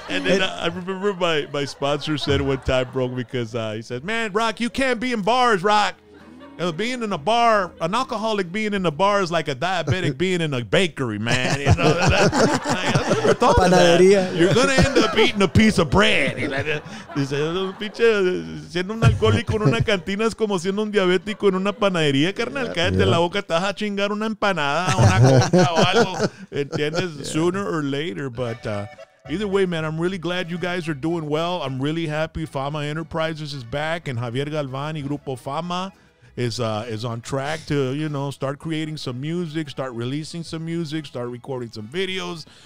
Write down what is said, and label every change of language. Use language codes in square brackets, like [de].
[en] And then I remember my sponsor said one time, bro, because he said, man, Rock, you can't be in bars, Rock. You know, being in a bar, an alcoholic being in a bar is like a diabetic being in a bakery, man. You know, like, I never thought of that. You're gonna end up eating a piece of bread. [es] Dice, pinche, siendo un alcohólico en una cantina es como siendo un diabético en una panadería, carnal. Cállate la boca, te vas a chingar una empanada, una conga o algo. ¿Entiendes? [en] Sooner or later, but either way, man, I'm really glad you guys are doing well. I'm really happy Fama Enterprises is back and Javier Galván y Grupo Fama is on track to, you know, start creating some music, start releasing some music, start recording some videos,